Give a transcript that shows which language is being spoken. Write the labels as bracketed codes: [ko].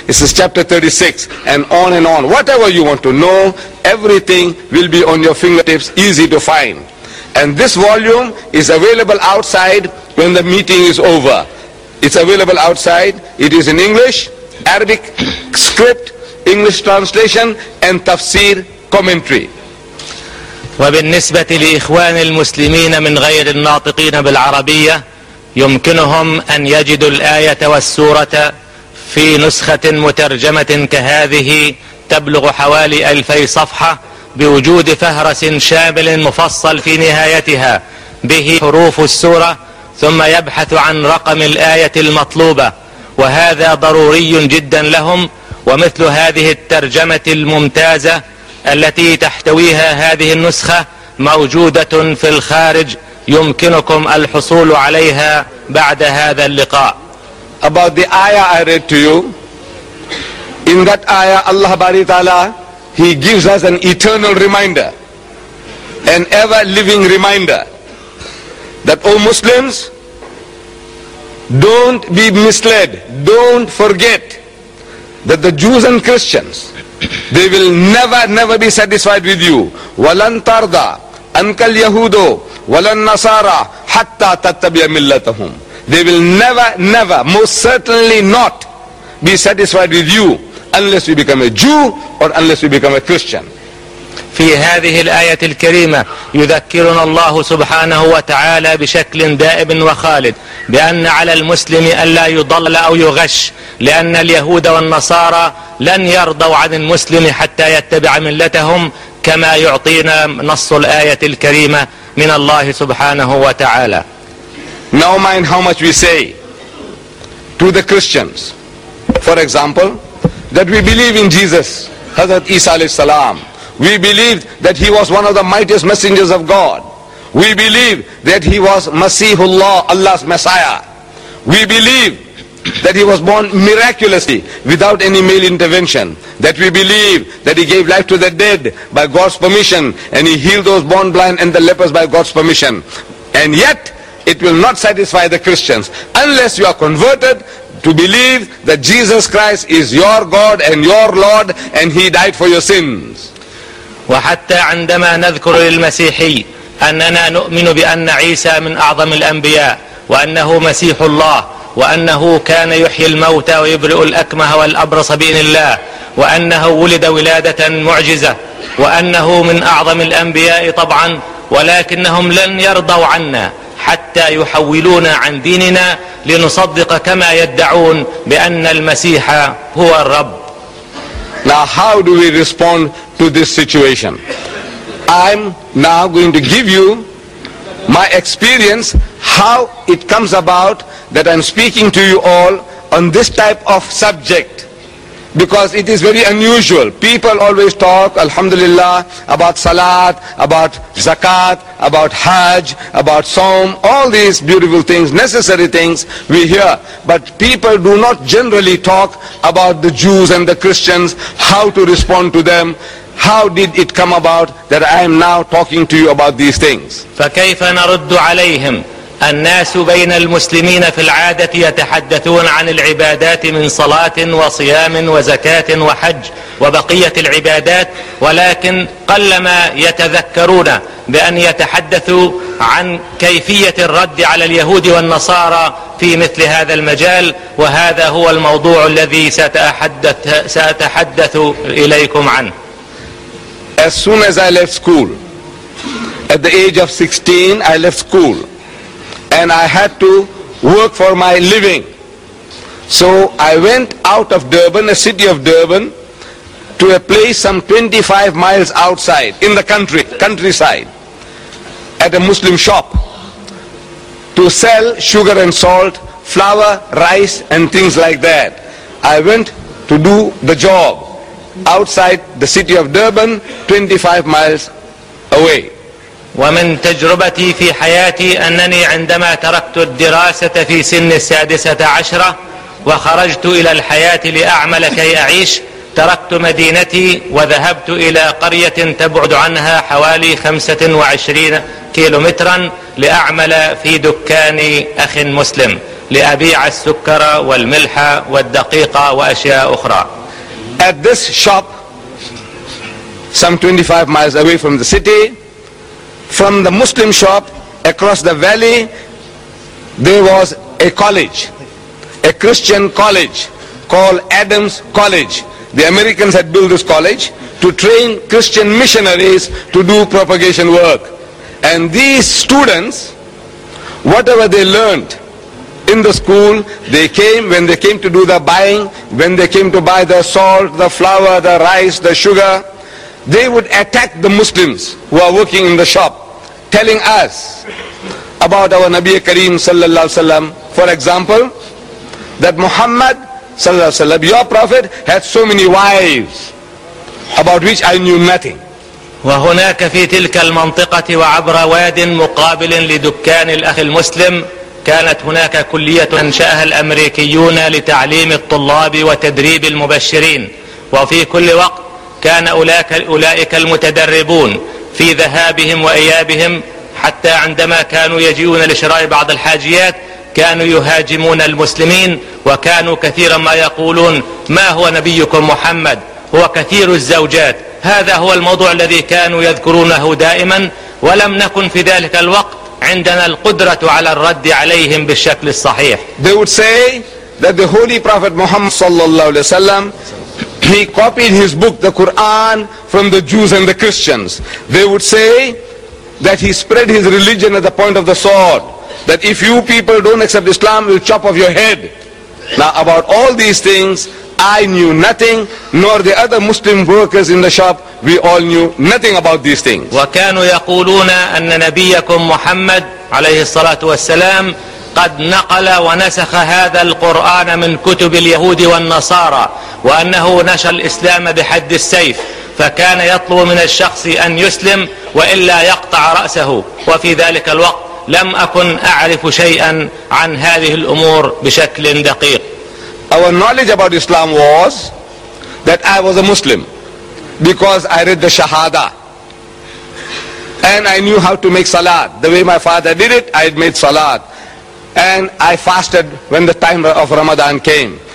[en] This is chapter 36, and on and on. Whatever you want to know, everything will be on your fingertips, easy to find. And this volume is available outside when the meeting is over. It's available outside. It is in English, Arabic script, English translation, and tafsir commentary. [ar] وبالنسبة لإخوان المسلمين من غير الناطقين بالعربية، يمكنهم أن يجدوا الآية والسورة في نسخة مترجمة كهذه تبلغ حوالي 2000 صفحة، بوجود فهرس شامل مفصل في نهايتها به حروف السورة، ثم يبحث عن رقم الآية المطلوبة، وهذا ضروري جدا لهم. ومثل هذه الترجمة الممتازة التي تحتويها هذه النسخة موجودة في الخارج، يمكنكم الحصول عليها بعد هذا اللقاء. [en] About the ayah I read to you, in that ayah Allah Bari Ta'ala, he gives us an eternal reminder, an ever living reminder, that O Muslims, don't be misled, don't forget that the Jews and Christians, they will never be satisfied with you. [ar] وَلَنْ تَرْضَى أَنْكَ الْيَهُودُ وَلَنْ نَصَارَى حَتَّى تَتَّبِيَ مِلَّتَهُمْ. [en] They will never, most certainly not be satisfied with you unless you become a Jew or unless you become a Christian. [ar] في هذه الآية الكريمة يذكرنا الله سبحانه وتعالى بشكل دائم وخالد بأن على المسلم ألا يضل أو يغش، لأن اليهود والنصارى لن يرضوا عن المسلم حتى يتبع ملتهم، كما يعطينا نص الآية الكريمة من الله سبحانه وتعالى. [en] Now mind how much we say to the Christians, for example, that we believe in Jesus, Hazrat Isa [ar] alayhi salam. [en] We believe that he was one of the mightiest messengers of God. We believe that he was Masihullah, Allah's Messiah. We believe that he was born miraculously without any male intervention. That we believe that he gave life to the dead by God's permission, and he healed those born blind and the lepers by God's permission. And yet, it will not satisfy the Christians unless you are converted to believe that Jesus Christ is your God and your Lord, and he died for your sins. [ar] وحتى عندما نذكر للمسيحي أننا نؤمن بأن عيسى من أعظم الأنبياء، وأنه مسيح الله، وأنه كان يحيي الموتى ويبرئ الأكمه والأبرص بإذن الله، وأنه ولد ولادة معجزة، وأنه من أعظم الأنبياء طبعا، ولكنهم لن يرضوا عنا حتى يحولونا عن ديننا لنصدق كما يدعون بأن المسيح هو الرب. [en] Now how do we respond to this situation? I'm now going to give you my experience, how it comes about that I'm speaking to you all on this type of subject, because it is very unusual. People always talk, alhamdulillah, about salat, about zakat, about hajj, about saum, all these beautiful things, necessary things we hear. But people do not generally talk about the Jews and the Christians, how to respond to them. How did it come about that I am now talking to you about these things? [ar] فكيف نرد عليهم؟ الناس بين المسلمين في العادة يتحدثون عن العبادات من صلاة وصيام وزكاة وحج وبقية العبادات، ولكن قلما يتذكرون بأن يتحدثوا عن كيفية الرد على اليهود والنصارى في مثل هذا المجال، وهذا هو الموضوع الذي سأتحدث إليكم عنه. [en] as soon as I left school. At the age of 16, I left school. And I had to work for my living. So I went out of Durban, the city of Durban, to a place some 25 miles outside, in the countryside, at a Muslim shop, to sell sugar and salt, flour, rice, and things like that. I went to do the job outside the city of Durban, 25 miles away. [ar] ومن تجربتي في حياتي أنني عندما تركت الدراسة في سن 16 وخرجت إلى الحياة لأعمل كي أعيش تركت مدينتي وذهبت إلى قرية تبعد عنها حوالي 25 كيلومترا لأعمل في دكان أخ مسلم لأبيع السكر والملح والدقيق وأشياء أخرى. [en] At this shop, some 25 miles away from the city, from the Muslim shop across the valley, there was a college, a Christian college called Adams College. The Americans had built this college to train Christian missionaries to do propagation work. And these students, whatever they learned in the school, they came, when they came to do the buying, when they came to buy the salt, the flour, the rice, the sugar, they would attack the Muslims who are working in the shop, telling us about our Nabi Kareem [ar] sallallahu alaihi wasallam. [en] For example, that Muhammad [ar] sallallahu alaihi wasallam, [en] your prophet, had so many wives about which I knew nothing. [ar] وهناك في تلك المنطقة وعبر واد مقابل لدكان الأخ المسلم كانت هناك كلية أنشأها الأمريكيون لتعليم الطلاب وتدريب المبشرين وفي كل وقت كان أولئك المتدربون في ذهابهم وإيابهم حتى عندما كانوا يجيون لشراء بعض الحاجيات كانوا يهاجمون المسلمين وكانوا كثيرا ما يقولون ما هو نبيكم محمد هو كثير الزوجات هذا هو الموضوع الذي كانوا يذكرونه دائما ولم نكن في ذلك الوقت عندنا القدرة على الرد عليهم بالشكل الصحيح. [en] They would say that the Holy Prophet Muhammad [ar] صلى الله عليه وسلم, [en] he copied his book, the Quran, from the Jews and the Christians. They would say that he spread his religion at the point of the sword, that if you people don't accept Islam, we'll chop off your head. Now, about all these things, I knew nothing, nor the other Muslim workers in the shop. We all knew nothing about these things. [ar] وكانوا يقولون أن نبيكم محمد عليه الصلاة والسلام قد نقل ونسخ هذا القرآن من كتب اليهود والنصارى وأنه نشر الإسلام بحد السيف فكان يطلب من الشخص أن يسلم وإلا يقطع رأسه وفي ذلك الوقت لم أكن أعرف شيئا عن هذه الأمور بشكل دقيق. [en] Our knowledge about Islam was that I was a Muslim because I read the Shahada and I knew how to make Salat. The way my father did it, I had made Salat. And I fasted when the time of Ramadan came.